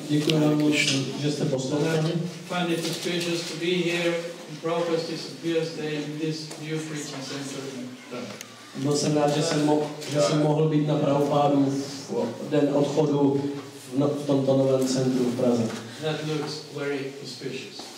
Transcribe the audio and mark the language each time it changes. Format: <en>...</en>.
<cs>Děkuji vám moc, že jste poslouchali.</cs> <en>Find it auspicious to be here in Prabhupada's disappearance day in this new preaching center.</en> <cs>Byl jsem rád, že jsem mohl být na Prabhupádu den odchodu v tomto novém centru v Praze.</cs> <en>That looks very auspicious.</en>